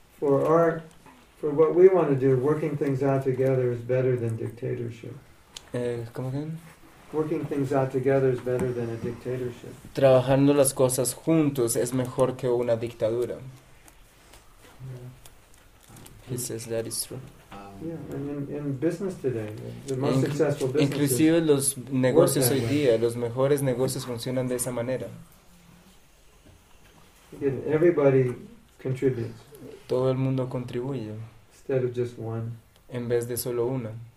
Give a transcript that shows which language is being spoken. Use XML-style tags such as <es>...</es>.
<en>For what we want to do, working things out together is better than dictatorship.</en> <es>¿Cómo que?</es> <en>Working things out together is better than a dictatorship.</en> <es>Trabajando las cosas juntos es mejor que una dictadura. Yeah.</es> <en>He says that is true. Yeah, and in business today, the most successful businesses.</en> <es>Inclusive los negocios hoy día, los mejores negocios funcionan de esa manera.</es> <en>Again, everybody contributes.</en> <es>Todo el mundo contribuye.</es> <en>Instead of just one.</en> <es>En vez de solo una.</es>